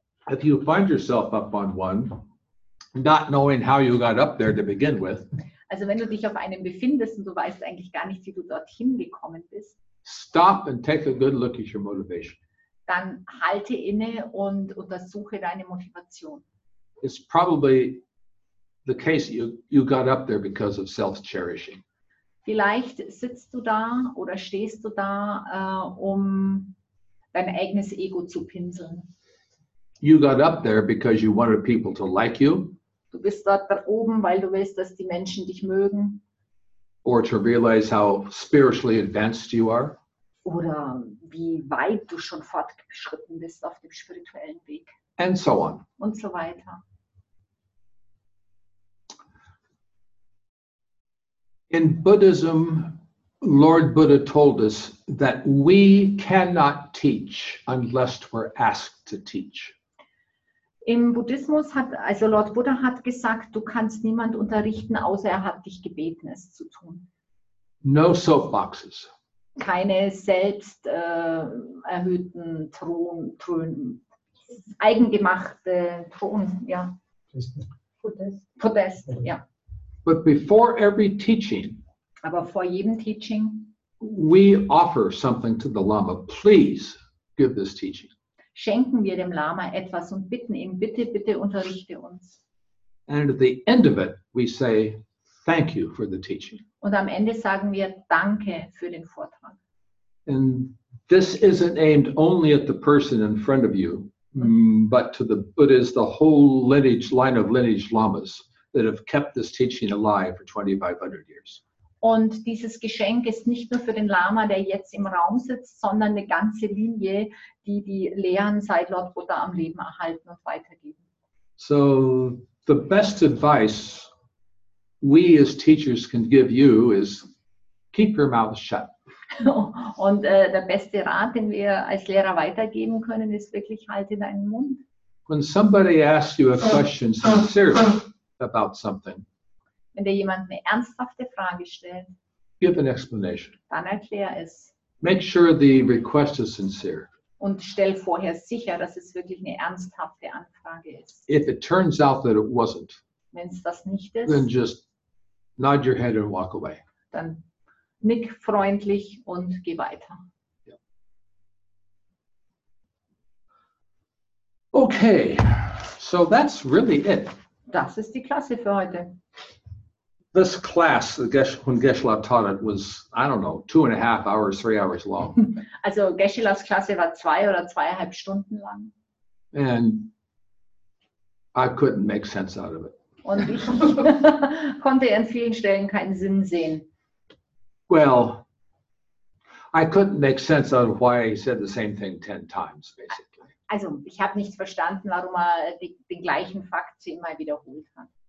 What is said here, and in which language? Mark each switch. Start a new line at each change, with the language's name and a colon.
English: If you find yourself up on one, not knowing how you got up there to begin with.
German: Also wenn du dich auf einem befindest und du weißt eigentlich gar nicht, wie du dorthin gekommen bist.
English: Stop and take a good look at your motivation.
German: Dann halte inne und untersuche deine Motivation.
English: It's probably the case you got up there because of self-cherishing.
German: Vielleicht sitzt du da oder stehst du da, um dein eigenes Ego zu pinseln.
English: You got up there because you wanted people to like you.
German: Du bist dort da oben, weil du willst, dass die Menschen dich mögen.
English: Or to realize how spiritually advanced you are.
German: Oder wie weit du schon fortgeschritten bist auf dem spirituellen Weg.
English: And so on.
German: Und so weiter.
English: In Buddhism, Lord Buddha told us that we cannot teach unless we're asked to teach.
German: Im Buddhismus hat, also Lord Buddha hat gesagt, du kannst niemand unterrichten, außer er hat dich gebeten, es zu tun.
English: No soapboxes.
German: Keine selbst erhöhten eigengemachte Thron, ja. Podest, ja.
English: But before every teaching,
German: aber vor jedem Teaching,
English: we offer something to the Lama. Please give this teaching.
German: Schenken wir dem Lama etwas und bitten ihn, bitte, bitte unterrichte uns.
English: And at the end of it, we say, thank you for the teaching.
German: Und am Ende sagen wir, danke für den Vortrag.
English: And this isn't aimed only at the person in front of you, but to the Buddhas, the whole lineage, line of lineage Lamas that have kept this teaching alive for 2500 years.
German: Und dieses Geschenk ist nicht nur für den Lama, der jetzt im Raum sitzt, sondern eine ganze Linie, die die Lehren seit Lord Buddha am Leben erhalten und weitergeben.
English: So, the best advice we as teachers can give you is keep your mouth shut.
German: Und der beste Rat, den wir als Lehrer weitergeben können, ist wirklich, halte deinen Mund.
English: When somebody asks you a question sincerely about something,
German: wenn dir jemand eine ernsthafte Frage stellt,
English: give an explanation.
German: Dann erklär es.
English: Make sure the request is sincere.
German: Und stell vorher sicher, dass es wirklich eine ernsthafte Anfrage ist.
English: If it turns out that it wasn't,
German: wenn es das nicht ist,
English: then just nod your head and walk away.
German: Dann nick freundlich und geh weiter.
English: Yeah. Okay, so that's really it.
German: Das ist die Klasse für heute.
English: This class, when Geshe-la taught it, was, I don't know, 2.5 hours, 3 hours long.
German: Also Geshe-la's Klasse war 2 oder 2.5 Stunden lang.
English: And I couldn't make sense out of it.
German: Und ich konnte an vielen Stellen keinen Sinn sehen.
English: Well, I couldn't make sense out of why he said the same thing 10 times, basically.
German: Also ich habe nicht verstanden, warum er den gleichen Fakt 10 Mal wiederholt hat.